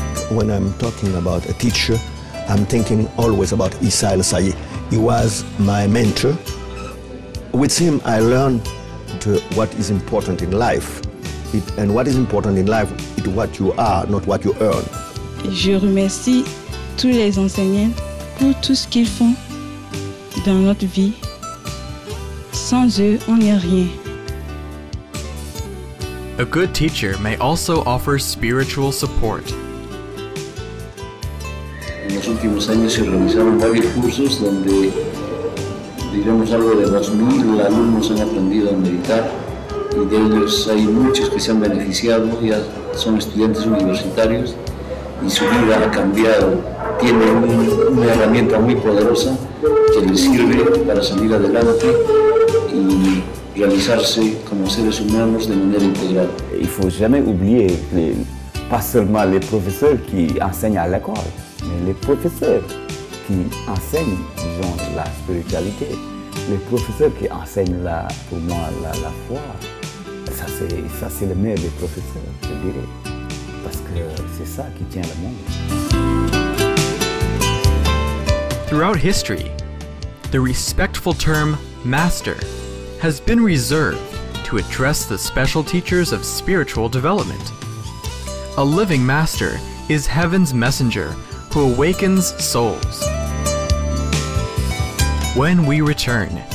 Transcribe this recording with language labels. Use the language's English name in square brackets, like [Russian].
[English] When I'm talking about a teacher, I'm thinking always about Isael Sayi. He was my mentor. With him, I learned what is important in life. And what is important in life is what you are, not what you earn. [French] Je remercie tous les enseignants pour tout ce qu'ils font dans notre vie. Sans eux, on n'est rien. [English] A good teacher may also offer spiritual support. [Spanish] En los últimos años se organizaron varios cursos donde, digamos, algo de 2.000 alumnos han aprendido a meditar y de ellos hay muchos que se han beneficiado, ya son estudiantes universitarios y su vida ha cambiado. Tiene una herramienta muy poderosa que les sirve para salir adelante y realizarse como seres humanos de manera integral. [French] Il faut jamais oublier que pas seulement les professeurs qui enseignent à l'école, mais les professeurs qui enseignent, disons, la spiritualité, les professeurs qui enseignent, pour moi, la foi, ça c'est le meilleur des professeurs, je dirais. Parce que c'est ça qui tient le monde. [English] Throughout history, the respectful term master has been reserved to address the special teachers of spiritual development. A living master is heaven's messenger who awakens souls. When we return,